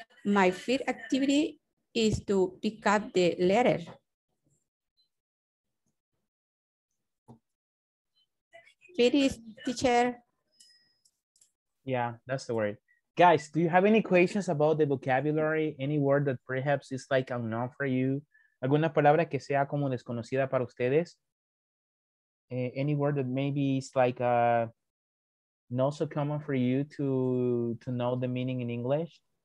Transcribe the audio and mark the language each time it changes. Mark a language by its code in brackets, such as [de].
[en] My first activity is to pick up the letter. Finish, teacher. Yeah, that's the word. guys, do you have any questions about the vocabulary? Any word that perhaps is like unknown for you? [es] ¿Alguna palabra que sea como desconocida para ustedes? [en] Any word that maybe is like not so common for you to know the meaning in English?